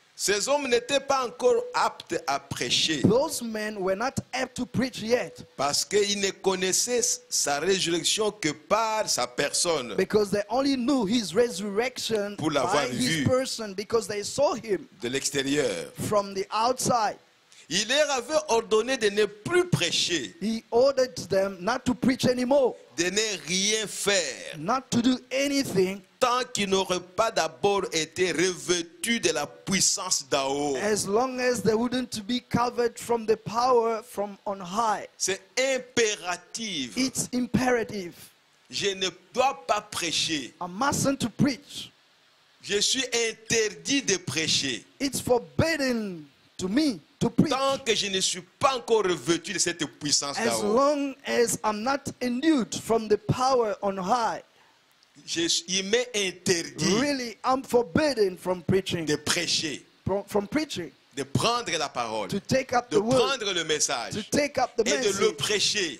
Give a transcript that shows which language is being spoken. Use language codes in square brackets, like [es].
[fr] Ces hommes n'étaient pas encore aptes à prêcher. [en] Those men were not apt to preach yet. [fr] Parce qu'ils ne connaissaient sa résurrection que par sa personne. [en] Because they only knew his resurrection [fr] pour l'avoir vu [en] his person because they saw him [fr] de l'extérieur. [en] From the outside. [fr] Il leur avait ordonné de ne plus prêcher. [en] He ordered them not to preach anymore. [fr] De ne rien faire. [en] Not to do anything. [fr] Tant qu'ils n'auraient pas d'abord été revêtus de la puissance d'en haut. [en] As long as they wouldn't be covered from the power from on high. [fr] C'est impératif. [en] It's imperative. [fr] Je ne dois pas prêcher. [en] I mustn't preach. [fr] Je suis interdit de prêcher. [en] It's forbidden to me. To preach. [fr] Tant que je ne suis pas encore revêtu de cette puissance d'en haut. [en] As long as I'm not endued from the power on high. [fr] Il m'est interdit. [en] Really, I'm forbidden from preaching. [fr] De prêcher. [en] From preaching. [fr] De prendre la parole. [en] To take up [fr] de [en] the word. [fr] De prendre le message. [en] To take up the [fr] et [en] message. [fr] Et de le prêcher.